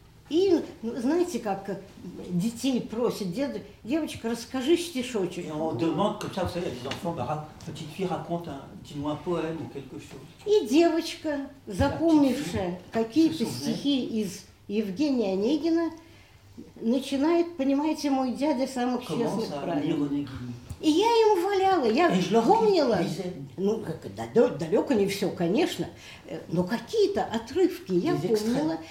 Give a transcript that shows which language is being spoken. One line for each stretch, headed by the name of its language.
Russian: И, ну, знаете, как детей просят, деда, девочка, расскажи стишочек. И он
French: demande, comme ça, vous savez, les enfants, petite fille raconte, dis-moi un poème ou quelque chose.
Russian: И девочка, запомнившая какие-то стихи из Евгения Онегина, начинает, понимаете, мой дядя самых честных правил. И я ему валяла, я помнила, ну, как, далеко не все, конечно, но какие-то отрывки я помнила.